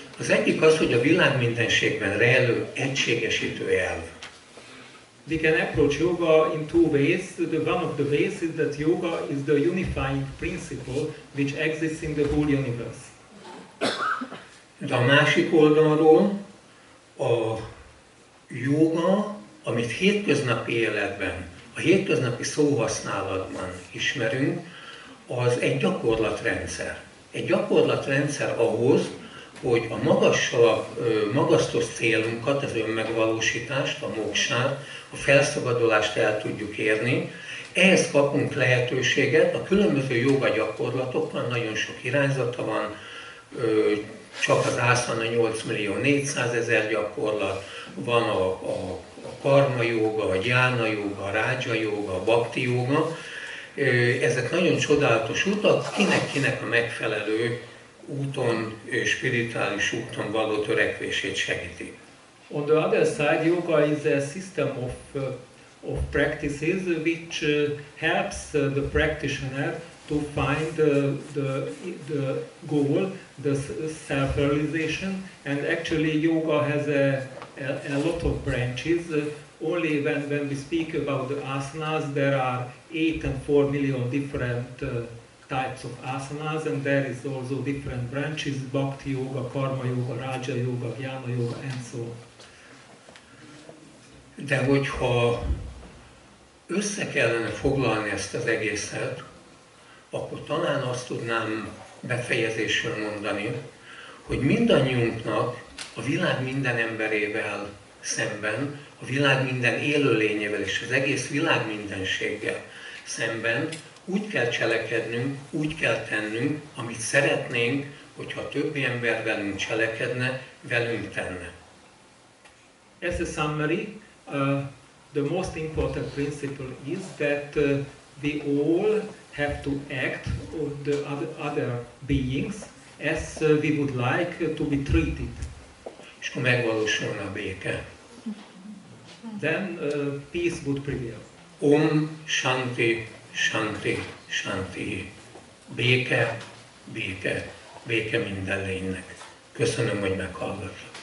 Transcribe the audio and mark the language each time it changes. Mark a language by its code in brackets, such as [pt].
[hu] Az egyik az, hogy a világ mindenségben rejlő egységesítő elv. [en] We can approach yoga in two ways. The one of the ways is that yoga is the unifying principle which exists in the whole universe. [hu] De a másik oldalról a yoga, amit hétköznapi életben, a hétköznapi szóhasználatban ismerünk, az egy gyakorlatrendszer. Egy gyakorlatrendszer ahhoz, hogy a magasztos célunkat, az önmegvalósítást, a moksát, a felszabadulást el tudjuk érni. Ehhez kapunk lehetőséget, a különböző jóga gyakorlatokban nagyon sok irányzata van, csak az ászana 8.400.000 gyakorlat, van a karma jóga, a gyána jóga, a rádzsa jóga, a bhakti jóga. Ezek nagyon csodálatos utak, kinek-kinek a megfelelő úton, spirituális úton való törekvését segíti. [en] On the other side, yoga is a system of practices which helps the practitioner to find the goal, the self-realization, and actually yoga has a lot of branches. Only when we speak about the asanas, there are 8 and 4 million different types of asanas, and there is also different branches, bhakti yoga, karma yoga, raja yoga, jnana yoga, and so on. [hu] De hogyha össze kellene foglalni ezt az egészet, akkor talán azt tudnám befejezésről mondani, hogy mindannyiunknak a világ minden emberével szemben, a világ minden élőlényével és az egész világ mindenséggel szemben úgy kell cselekednünk, úgy kell tennünk, amit szeretnénk, hogyha többi ember velünk cselekedne, velünk tenne. [en] As a summary, the most important principle is that we all have to act on the other beings as we would like to be treated. [hu] És akkor megvalósulna a béke. [en] Then peace would prevail. [sa] Om Shanti Shanti Shanti. [hu] Béke, béke, béke minden lénynek. Köszönöm, hogy meghallgattak.